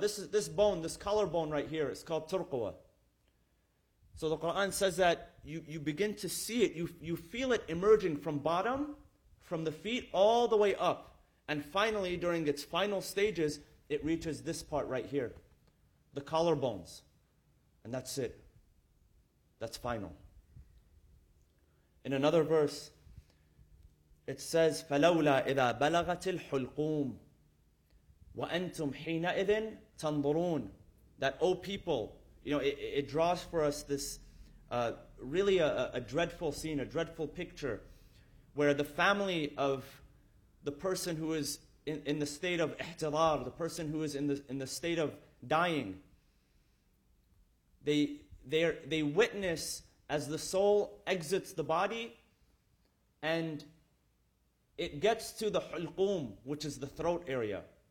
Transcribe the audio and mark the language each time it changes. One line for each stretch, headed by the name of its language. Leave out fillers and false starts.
English: This bone, this collarbone right here, is called turqwa. So the Quran says that you begin to see it. You feel it emerging from bottom, from the feet, all the way up. And finally, during its final stages, it reaches this part right here, the collarbones, and that's it. That's final. In another verse, it says,
Arabic: فَلَوْلَا إِذَا بَلَغَتِ الْحُلْقُومِ وَأَنْتُمْ حِينَئِذٍ تَنْظُرُونَ.
English: That, oh people, you know, it draws for us this really a dreadful scene, a dreadful picture, where the family of the person who is in the state of ihtilar, the person who is in the state of dying, they witness as the soul exits the body and it gets to the hulqum, which is the throat area.